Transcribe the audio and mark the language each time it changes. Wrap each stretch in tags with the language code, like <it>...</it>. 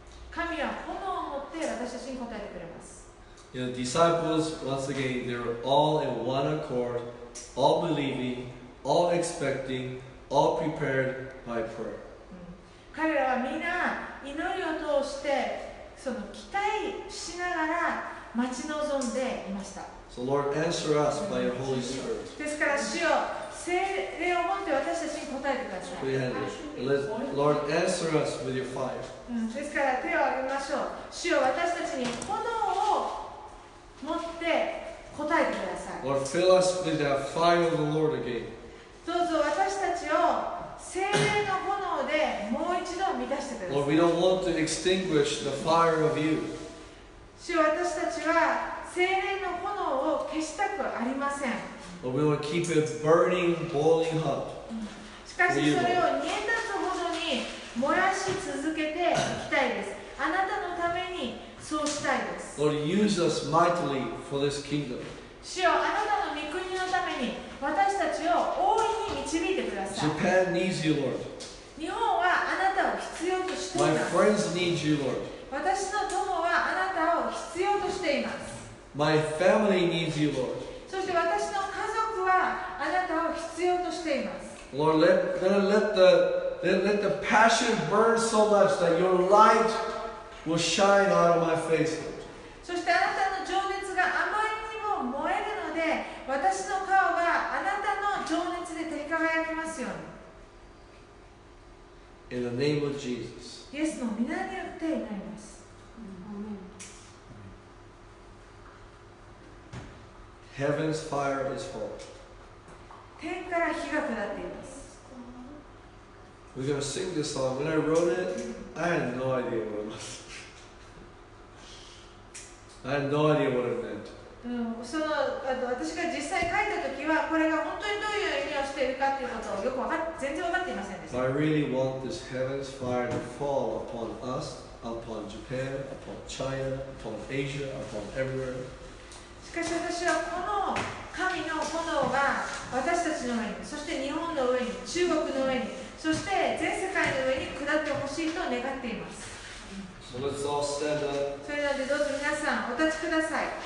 <ja>神は炎を持って私たちに答えてくれます。</ja> <en>You know, disciples, once again, they're all in one accord, all believing, all expecting, all prepared by prayer.</en> <ja>彼らはみんな祈りを通してその期待しながら待ち望んでいました。</ja> <en>So Lord, answer us by your Holy Spirit.</en> <ja>ですから主よ、聖霊を持って私たちに答えてください。</ja> <en>Let, Lord, answer us with your fire.</en> <ja>ですから手を挙げましょう。主よ、私たちに炎を持って答えてください。</ja> <en>Lord, fill us with that fire of the Lord again.</en> <ja>どうぞ私たちを聖霊の炎でもう一度満たしてください。</ja> <en>Lord, we don't want to extinguish the fire of you.</en> <ja>主よ、私たちは聖霊の炎を消したくありません。</ja> <en>But we will keep it burning, boiling hot.</en> <ja>しかしそれを煮えたつほどに燃やし続けていきたいです。あなたのためにそうしたいです。</ja> <en>Lord, use us mightily for this kingdom.</en> <ja>主よ、あなたの御国のために私たちを大いに導いてください。</ja> <en>Japan needs you, Lord.</en> <ja>日本はあなたを必要としています。</ja> <en>My friends need you, Lord.</en> <ja>私の友はあなたを必要としています。</ja> <en>My family needs you, Lord.</en> <ja>そして私の家族はあなたを必要としています。</ja> <en>Lord, let the passion burn so much that your light will shine out of my face.</en> <ja>そしてあなたの情熱があまりにも燃えるので、私の顔があなたの情熱で照り輝きますように。</ja> <en>In the name of Jesus.</en> <ja>イエスの皆によって祈ります。</ja> <en>Heaven's fire is full.</en> <ja>天から火が下っています。</ja> <en>We're gonna sing this song. When I wrote it, I had no idea what it was. I had no idea what it meant.</en> <ja>その、私が実際書いた時は、これが本当にどういう意味をしているかということをよく全然分かっていませんでした。</ja> <en>But I really want this heaven's fire to fall upon us, upon Japan, upon China, upon Asia, upon everywhere.</en> <ja>しかし私はこの神の炎が私たちの上に、そして日本の上に、中国の上に、そして全世界の上に下ってほしいと願っています。</ja> <en>So、let's all stand up.</en> <ja>それなのでどうぞ皆さんお立ちください。</ja>